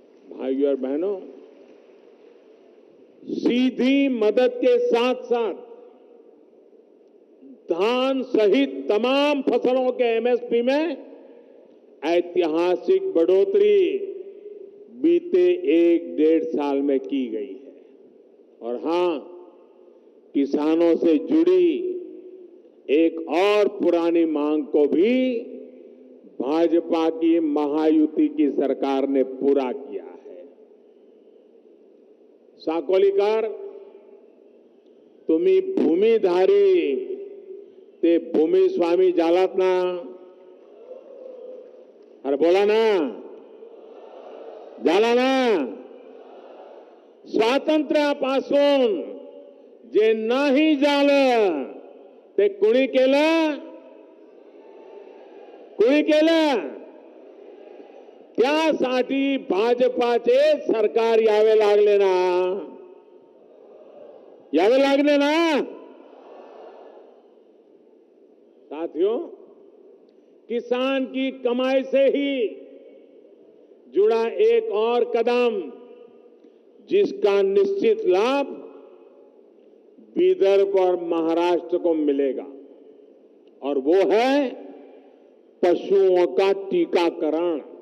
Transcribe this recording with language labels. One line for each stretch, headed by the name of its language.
Hindi: भाइयों और बहनों, सीधी मदद के साथ साथ धान सहित तमाम फसलों के एमएसपी में ऐतिहासिक बढ़ोतरी बीते 1-1.5 साल में की गई है। और हां, किसानों से जुड़ी एक और पुरानी मांग को भी भाजपा की महायुति की सरकार ने पूरा किया है।
Marathi: साकोलीकर, तुम्ही भूमिधारी ते भूमि स्वामी जालात ना? अरे बोला ना, जाला ना। स्वातंत्र्यापासून जे नाही झालं ते कुणी केलं? कुणी केलं? त्यासाठी भाजपाचे सरकार यावे लागले ना, यावे लागले ना।
Hindi: साथियों, किसान की कमाई से ही जुड़ा एक और कदम, जिसका निश्चित लाभ विदर्भ और महाराष्ट्र को मिलेगा, और वो है पशुओं का टीकाकरण।